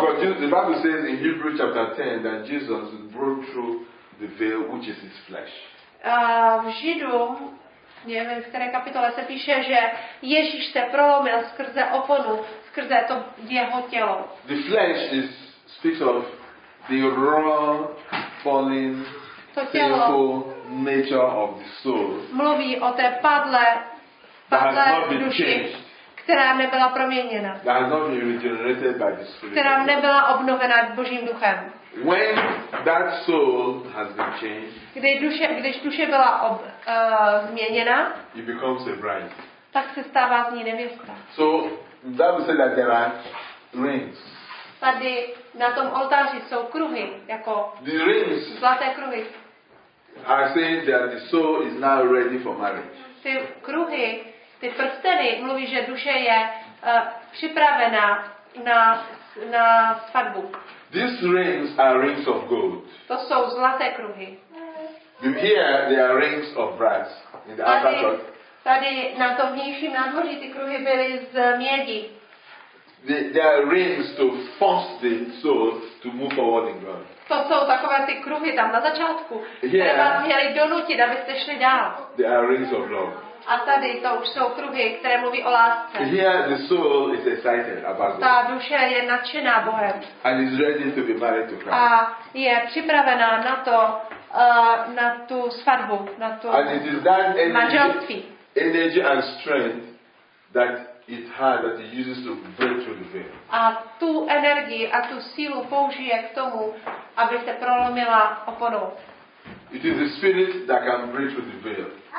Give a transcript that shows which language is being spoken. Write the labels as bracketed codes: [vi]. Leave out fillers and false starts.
[en] Because the Bible says in Hebrews chapter 10 that Jesus broke through the veil which is his flesh. [cs] V Židům, nevím, v které kapitole se píše, že Ježíš se prolomil skrze oponu, skrze to jeho tělo. [en] The flesh is speaks of the raw fallen sinful nature of the soul. [cs] Mluví o té padlé duši, která nebyla proměněna. [en] That has not been regenerated by the Spirit. [cs] Která nebyla obnovena Božím duchem. [en] When that soul has been changed. [cs] Když duše byla změněna. [en] It becomes a bride. [cs] Tak se stává z ní nevěsta. [en] So that would say that there are rings. [cs] Tady na tom oltáři jsou kruhy jako [en] the rings, [cs] zlaté kruhy. [en] Are saying that the soul is now ready for marriage. [cs] Ty kruhy, ty prsteny mluví, že duše je připravena na svatbu. [en] These rings are rings of gold. [cs] To jsou zlaté kruhy. [en] Here they are rings of brass in the outer court. [cs] Tady na tom vnějším nádvoří ty kruhy byly z mědi. [en] They are rings to force the soul to move forward in God. [cs] To jsou takové ty kruhy tam na začátku, které vás měly donutit, abyste šli dál. [en] They are rings of love. [cs] A tady to už jsou kruhy, které mluví o lásce. [en] Here the soul is excited about God. [cs] Ta duše je nadšená Bohem. [en] And is ready to be married to Christ. [cs] A je připravená na to, na tu svatbu, na tu manželství. [en] Energy and strength that it has, that it uses to break through the veil. [cs] A tu energii a tu sílu použije k tomu, aby se prolomila oponou. [en] It is the spirit that can break through the veil.